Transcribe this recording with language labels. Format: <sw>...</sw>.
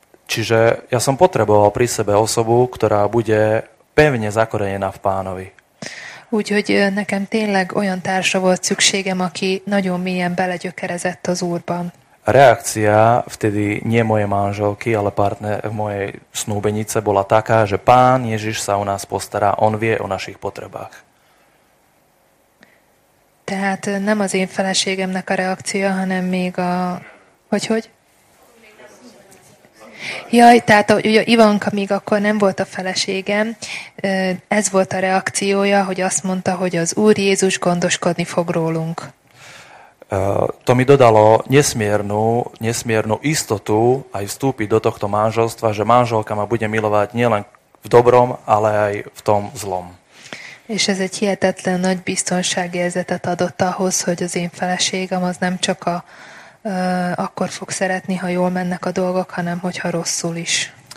<sk>Čiže ja som potreboval pri sebe osobu, ktorá bude pevne zakorenená v Pánovi.</sk> <hu>Úgyhogy nekem tényleg olyan társa volt szükségem, aki nagyon mélyen belegyökerezett az Úrban.</hu> <sk>Reakcia vtedy nie mojej manželky, ale partner mojej snúbenice bola taká, že Pán Ježiš sa u nás postará, on vie o našich potrebách.</sk> <hu>Tehát nem az én feleségemnek a reakciója, hanem még a... Hogy? Jaj, tehát ugye Ivanka még akkor nem volt a feleségem. Ez volt a reakciója, hogy azt mondta, hogy az Úr Jézus gondoskodni fog rólunk.</hu> <sk>To mi dodalo nesmiernu istotu aj vstúpiť do tohto manželstva, že manželka ma bude milovať nielen v dobrom, ale aj v tom zlom.</sk> <hu>És ez egy hihetetlen nagy biztonságérzetet adott ahhoz, hogy az én feleségem az nem csak a akkor fog szeretni, ha jól mennek a dolgok, hanem hogyha rosszul is.</hu>